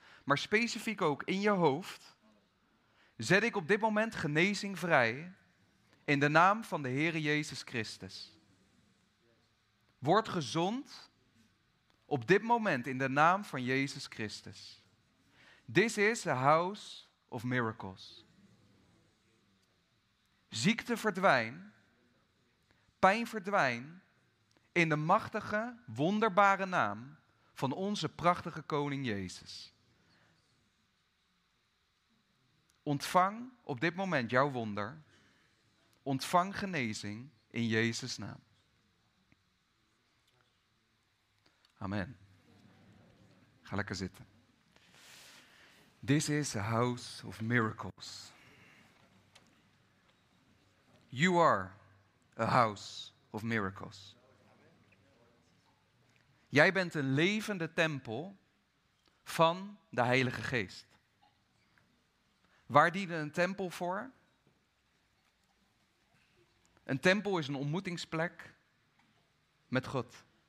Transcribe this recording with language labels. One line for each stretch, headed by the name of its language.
Dutch: Maar specifiek ook in je hoofd, zet ik op dit moment genezing vrij in de naam van de Heere Jezus Christus. Word gezond op dit moment in de naam van Jezus Christus.
English: This is a house of miracles.
Dutch: Ziekte verdwijn, pijn verdwijn, in de machtige, wonderbare naam van onze prachtige koning Jezus. Ontvang op dit moment jouw wonder. Ontvang genezing in Jezus' naam. Amen. Ga lekker zitten.
English: This is a house of miracles. You are a house of miracles.
Dutch: Jij bent een levende tempel van de Heilige Geest. Waar diende een tempel voor? Een tempel is een ontmoetingsplek met God.